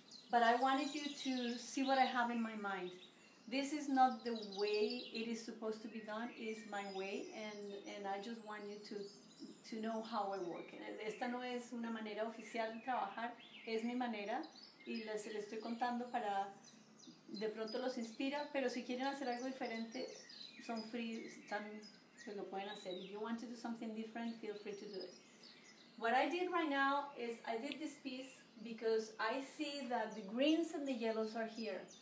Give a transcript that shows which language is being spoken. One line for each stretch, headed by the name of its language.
English: But I wanted you to see what I have in my mind. This is not the way it is supposed to be done. It's my way, and I just want you to know how I work.
Spanish: Esta no es una manera oficial de trabajar, es mi manera, y se le estoy contando para, de pronto los inspira, pero si quieren hacer algo diferente, son free, pues lo pueden hacer.
English: If you want to do something different, feel free to do it. What I did right now is I did this piece because I see that the greens and the yellows are here.